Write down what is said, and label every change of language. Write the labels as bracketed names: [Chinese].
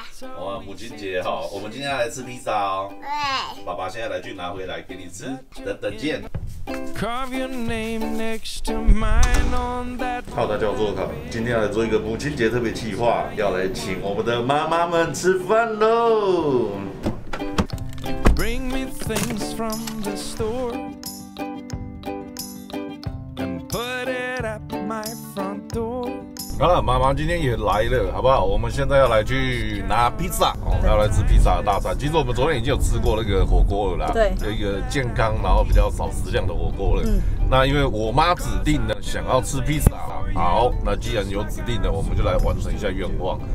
[Chinese] 哦，母亲节哈，我们今天要来吃披萨哦。对。爸爸现在来去拿回来给你吃，等见。 [English] Carve your name next to mine on that. [Chinese] Hello， 大家好，我是Carve。今天要来做一个母亲节特别企划，要来请我们的妈妈们吃饭喽。 [English] Bring me things from the store and put it at my front door。 [Chinese] 啊，妈妈今天也来了，好不好？我们现在要来去拿披萨，哦，要来吃披萨的大餐。其实我们昨天已经有吃过那个火锅了啦，对，一个健康然后比较少食量的火锅了。嗯，那因为我妈指定的想要吃披萨，好，那既然有指定的，我们就来完成一下愿望。